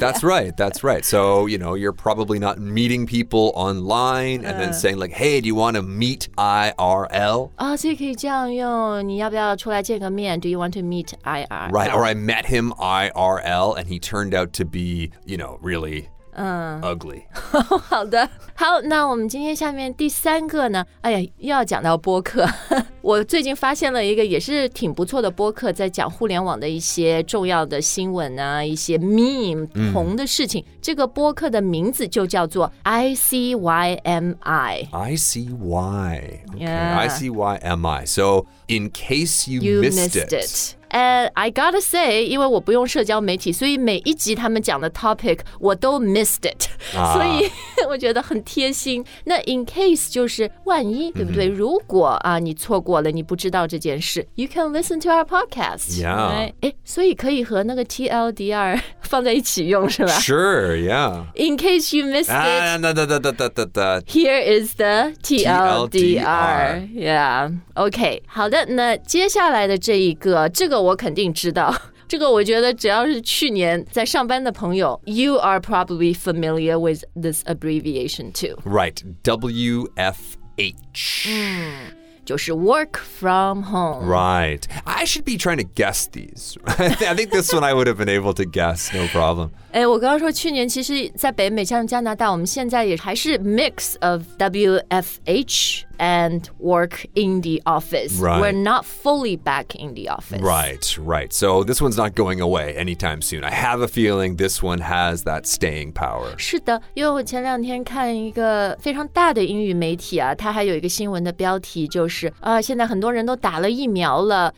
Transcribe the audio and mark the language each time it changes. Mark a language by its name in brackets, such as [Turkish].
[English] That's right So, you know, you're probably not meeting people online And then saying like Hey, do you want to meet IRL? [Chinese] 所以可以这样用你要不要出来见个面 [English] Do you want to meet IRL? Right, or I met him IRL And he turned out to be, you know, really ugly [Chinese] 好的好那我们今天下面第三个呢哎呀又要讲到播客我最近发现了一个也是挺不错的播客在讲互联网的一些重要的新闻啊一些 meme 红的事情这个播客的名字就叫做 ICYMI [English] ICYMI So in case you missed it I gotta say, [Chinese] 因为我不用社交媒体，所以每一集他们讲的 topic 我都 [English] missed it， [Chinese] 所以我觉得很贴心。那 in case 就是万一，对不对？如果啊你错过了，你不知道这件事， [English] you can listen to our podcast. Yeah. [Chinese] 所以可以和那个 TLDR 放在一起用是吧 [English] Sure, yeah. In case you missed it, here is the TLDR. Yeah, okay. [Chinese] 好的，那接下来的这一个，这个我肯定知道。这个我觉得只要是去年在上班的朋友 [English] You are probably familiar with this abbreviation too Right, WFH、 [Chinese] 就是 [English] work from home Right, I should be trying to guess these I think this one I would have been able to guess, no problem [Chinese] 哎，我刚刚说去年其实在北美像加拿大我们现在也还是 [English] mix of WFHand work in the office. Right. We're not fully back in the office. Right, right. So this one's not going away anytime soon. I have a feeling this one has that staying power. [Chinese] 是的，因为我前两天看一个非常大的英语媒体啊，它还有一个新闻的标题就是现在很多人都打了疫苗了。